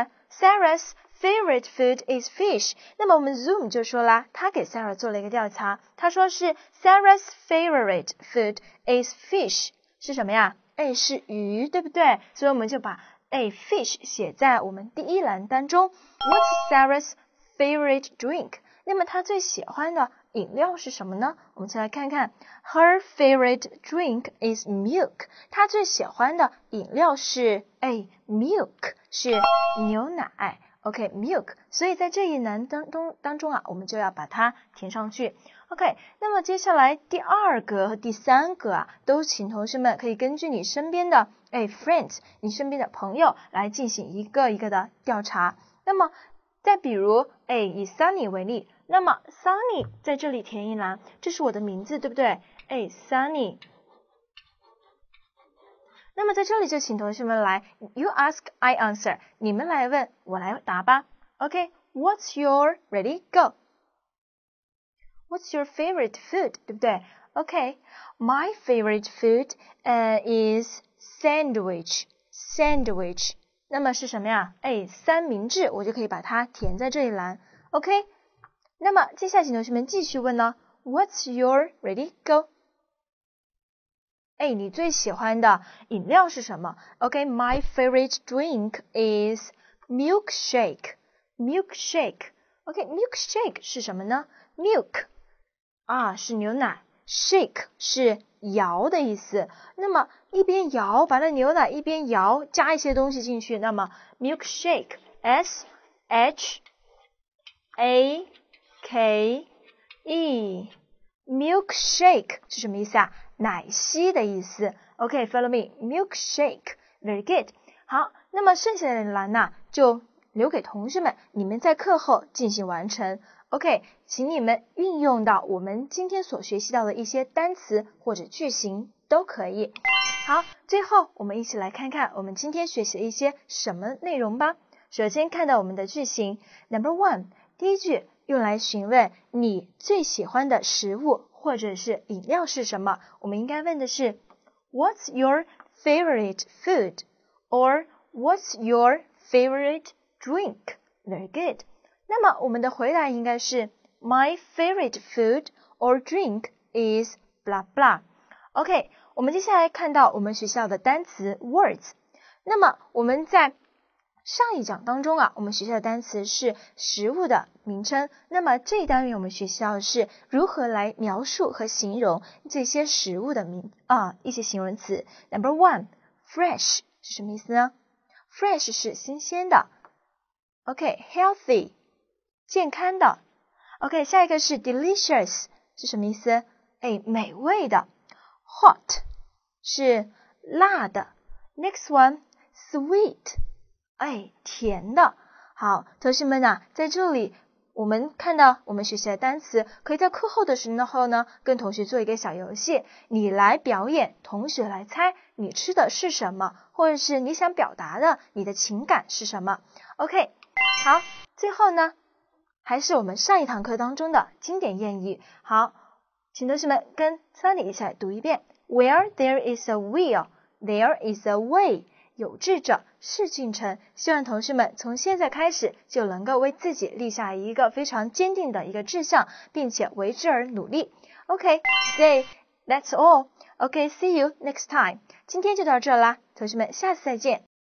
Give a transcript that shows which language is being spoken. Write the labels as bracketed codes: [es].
[en] Sarah's favorite food is fish. [zh] 那么我们 Zoom 就说啦，他给 Sarah 做了一个调查，他说是 [en] Sarah's favorite food is fish, [zh] 是什么呀？是鱼，对不对？所以我们就把fish 写在我们第一栏当中。 [en] What's Sarah's favorite drink? [zh] 那么他最喜欢的饮料是什么呢？我们先来看看 [en] ，Her favorite drink is milk. [zh] 她最喜欢的饮料是milk 是牛奶。 [en] OK, milk. [zh] 所以在这一栏当中啊，我们就要把它填上去。 OK, 那么接下来第二格和第三格啊，都请同学们可以根据你身边的friends, 你身边的朋友来进行一个一个的调查。那么再比如，以 Sunny 为例，那么 Sunny 在这里填一栏，这是我的名字，对不对？ Sunny。那么在这里就请同学们来 ，You ask, I answer， 你们来问，我来答吧。 [en] OK，What's your ready go？ What's your favorite food？ [zh] 对不对 [en] ？OK，My favorite food is sandwich。 [zh] Sandwich， 那么是什么呀？三明治，我就可以把它填在这一栏。 OK， 那么接下来请同学们继续问呢 ， [en] What's your ready go？ [zh] 你最喜欢的饮料是什么 [en] ？OK， my favorite drink is milkshake. Milkshake. [zh] OK， milkshake 是什么呢 ？Milk 啊是牛奶 ，shake 是摇的意思。那么一边摇，把那牛奶一边摇，加一些东西进去，那么 milkshake， S H A K E， milkshake 是什么意思啊？奶昔的意思 [en] ，OK， follow me， milkshake， very good。 [zh] 好，那么剩下的栏呢，就留给同学们，你们在课后进行完成。 OK， 请你们运用到我们今天所学习到的一些单词或者句型都可以。好，最后我们一起来看看我们今天学习的一些什么内容吧。首先看到我们的句型 ，Number one， 第一句用来询问你最喜欢的食物。或者是饮料是什么？我们应该问的是 [en] What's your favorite food? Or What's your favorite drink? Very good. [zh] 那么我们的回答应该是 [en] My favorite food or drink is blah blah. [zh] OK, 我们接下来看到我们学校的单词 words. 那么我们在上一讲当中啊，我们学习的单词是食物的名称。那么这一单元我们学习到的是如何来描述和形容这些食物的一些形容词。 Number one, fresh 是什么意思呢 ？Fresh 是新鲜的。 OK, healthy 健康的。 OK, 下一个是 delicious 是什么意思？美味的。Hot 是辣的。 [en] Next one, sweet。 甜的。 [zh] 好，同学们啊，在这里我们看到我们学习的单词，可以在课后的时候呢跟同学做一个小游戏，你来表演，同学来猜你吃的是什么，或者是你想表达的你的情感是什么。 OK， 好，最后呢还是我们上一堂课当中的经典谚语。好，请同学们跟Sunny一起来读一遍。 [en] Where there is a will, there is a way， [zh] 有志者事竟成，希望同学们从现在开始就能够为自己立下一个非常坚定的一个志向，并且为之而努力。 [en] OK, today, that's all. OK, see you next time. [zh] 今天就到这啦，同学们下次再见。